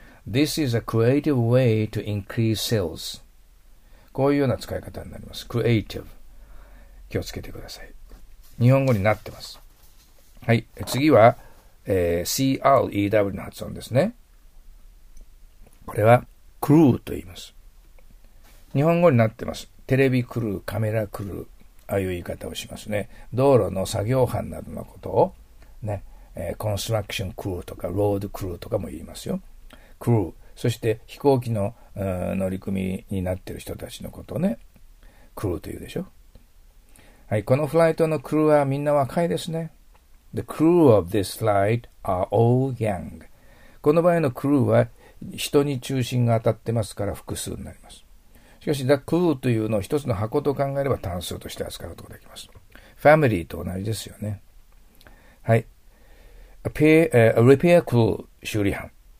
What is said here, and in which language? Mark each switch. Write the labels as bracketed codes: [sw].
[en] This is a creative way to increase sales. [ja] こういうような使い方になります。 creative。 気をつけてください。日本語になってます。はい。次は、CREW の発音ですね。これは、クルーと言います。日本語になってます。テレビクルー、カメラクルー、ああいう言い方をしますね。道路の作業班などのことを、ね、コンストラクションクルーとか、ロードクルーとかも言いますよ。クルー。そして飛行機の乗り組みになっている人たちのことをね、クルーというでしょ。はい、このフライトのクルーはみんな若いですね。 [en] The crew of this flight are all young. [ja] この場合のクルーは人に中心が当たってますから複数になります。しかし、the crew というのを一つの箱と考えれば単数として扱うことができます。 Family と同じですよね。はい。 [en] A repair crew [ja] 修理班。